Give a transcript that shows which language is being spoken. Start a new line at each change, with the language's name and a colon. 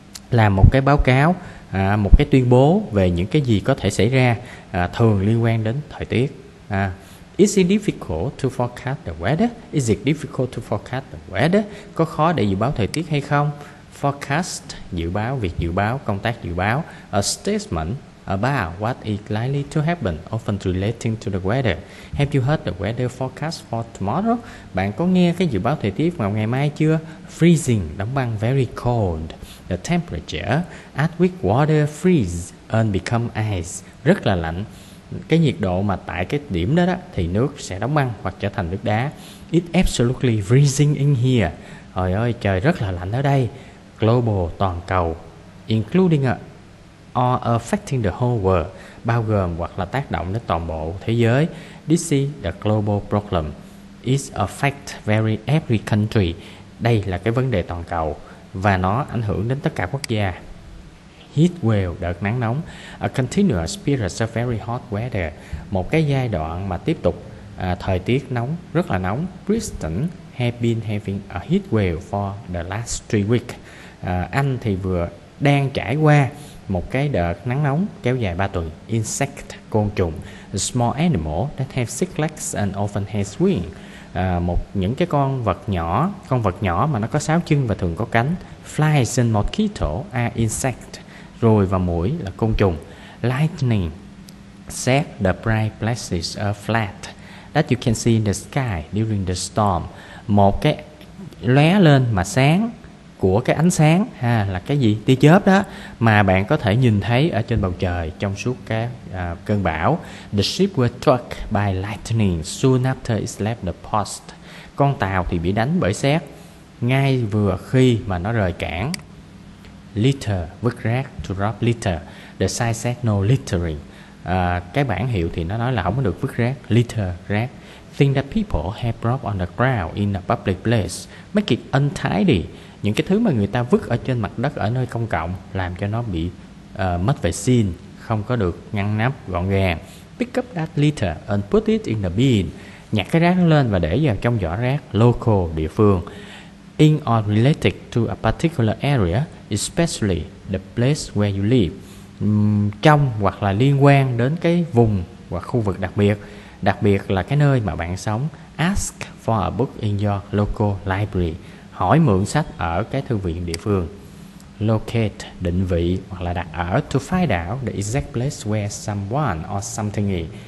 Vietnamese: Làm một cái báo cáo, một cái tuyên bố về những cái gì có thể xảy ra, thường liên quan đến thời tiết.
English: Is it difficult to forecast the weather? Is it difficult to forecast the weather?
Vietnamese: Có khó để dự báo thời tiết hay không? Forecast, dự báo, việc dự báo, công tác dự báo.
English: A statement about what is likely to happen, often relating to the weather. Have you heard the weather forecast for tomorrow?
Vietnamese: Bạn có nghe cái dự báo thời tiết vào ngày mai chưa?
English: Freezing,
Vietnamese: đóng băng,
English: very cold. The temperature at which water freezes and become ice,
Vietnamese: rất là lạnh. Cái nhiệt độ mà tại cái điểm đó đó thì nước sẽ đóng băng hoặc trở thành nước đá.
English: It's absolutely freezing in here.
Vietnamese: Trời ơi, trời rất là lạnh ở đây. Global, toàn cầu.
English: Including or affecting the whole world,
Vietnamese: bao gồm hoặc là tác động đến toàn bộ thế giới.
English: This is the global problem. It affects very every country.
Vietnamese: Đây là cái vấn đề toàn cầu và nó ảnh hưởng đến tất cả quốc gia.
English: Heat wave,
Vietnamese: đợt nắng nóng.
English: A continuous period of very hot weather.
Vietnamese: Một cái giai đoạn mà tiếp tục thời tiết nóng, rất là nóng.
English: Britain have been having a heat wave for the last 3 weeks.
Vietnamese: Anh thì vừa đang trải qua một cái đợt nắng nóng kéo dài 3 tuần. Insect, côn trùng.
English: A small animal that have 6 legs and often has wings.
Vietnamese: Những cái con vật nhỏ mà nó có 6 chân và thường có cánh.
English: Flies and mosquito are insects.
Vietnamese: Rồi và mũi là côn trùng.
English: Lightning set the bright places are flat that you can see in the sky during the storm.
Vietnamese: Một cái lóe lên mà sáng của cái ánh sáng ha, là cái gì? Tia chớp đó, mà bạn có thể nhìn thấy ở trên bầu trời trong suốt cái cơn bão.
English: The ship was struck by lightning soon after it left the port.
Vietnamese: Con tàu thì bị đánh bởi sét ngay vừa khi mà nó rời cảng.
English: Litter,
Vietnamese: vứt rác,
English: to drop litter. The sign said no littering.
Vietnamese: Cái bảng hiệu thì nó nói là không có được vứt rác. Litter, rác.
English: Thing that people have dropped on the ground in a public place. Make it untidy.
Vietnamese: Những cái thứ mà người ta vứt ở trên mặt đất ở nơi công cộng làm cho nó bị mất vệ sinh, không có được ngăn nắp, gọn gàng.
English: Pick up that litter and put it in the bin.
Vietnamese: Nhặt cái rác lên và để vào trong giỏ rác. Local, địa phương.
English: In or related to a particular area, especially the place where you live.
Vietnamese: Trong hoặc là liên quan đến cái vùng hoặc khu vực đặc biệt là cái nơi mà bạn sống.
English: Ask for a book in your local library.
Vietnamese: Hỏi mượn sách ở cái thư viện địa phương. Locate, định vị hoặc là đặt ở.
English: To find out the exact place where someone or something is.